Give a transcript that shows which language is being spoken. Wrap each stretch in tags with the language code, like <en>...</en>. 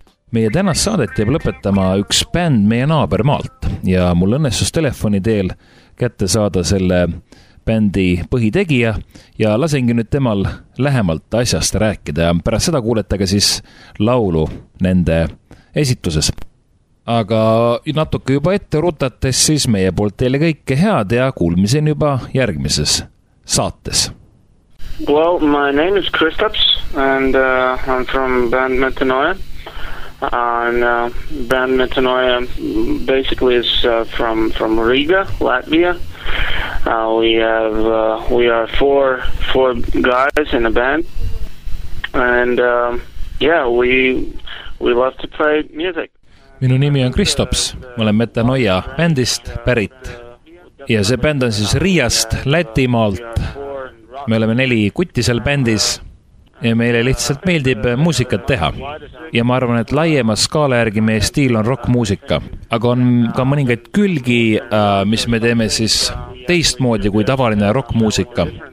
<et>Meie tänas saadet jääb lõpetama üks bänd meie naabermaalt ja mul õnnestus telefoni teel kätte saada selle bändi põhitegija ja lasengi nüüd temal lähemalt asjast rääkida ja pärast seda kuuletage siis laulu nende esituses. Aga natuke juba ette rutates siis meie poolt teile kõike head ja kuulmisen juba järgmises saates.</et> <en>Well, my name is Kristaps and I'm from band Metanoia. And band Metanoia basically is from Riga, Latvia. We are four guys in a band, and we love to play music.</en> <et>Minu nimi on Kristaps, ma olen Metanoia bändist pärit. Ja see bänd on siis Riiast, Lätimaalt. Me oleme neli kuttisel bändis. Ja meile lihtsalt meeldib muusikat teha. Ja ma arvan, et laiema skaala järgi meie stiil on rockmuusika. Aga on ka mõningaid külgi, mis me teeme siis teistmoodi kui tavaline rockmuusika.</et>